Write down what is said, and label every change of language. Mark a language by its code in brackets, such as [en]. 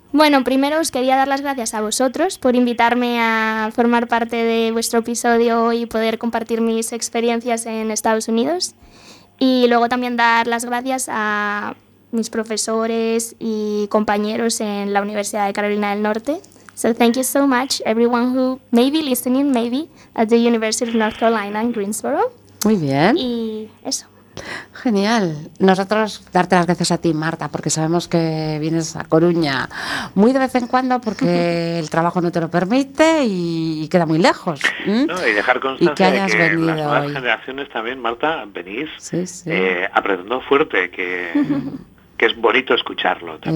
[es] Bueno, primero os quería dar las gracias a vosotros por invitarme a formar parte de vuestro episodio y poder compartir mis experiencias en Estados Unidos. Y luego también dar las gracias a mis profesores y compañeros en la Universidad de Carolina del Norte. [en] So thank you so much, everyone who may be listening, maybe, at the University of North Carolina in Greensboro. [es] Muy bien. Y eso. Genial. Nosotros darte las gracias a ti, Marta, porque sabemos que vienes a Coruña muy de vez en cuando porque el trabajo no te lo permite y queda muy lejos. No, y dejar constancia y que hayas venido las nuevas generaciones también, Marta, venís aprendiendo fuerte, que es bonito escucharlo también.